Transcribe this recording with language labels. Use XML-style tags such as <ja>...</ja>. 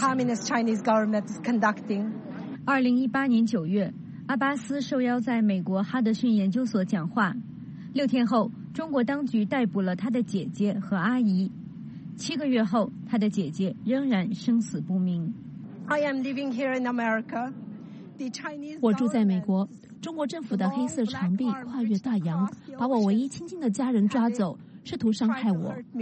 <zh>2018年9月，阿巴斯受邀在美国哈德逊研究所讲话，6天后中国当局逮捕了他的姐姐和阿姨，7个月后他的姐姐仍然生死不明。</zh> <en>I am living here in America.</en> <zh>我住在美国，中国政府的黑色长臂跨越大洋，把我唯一亲近的家人抓走，试图伤害我。</zh>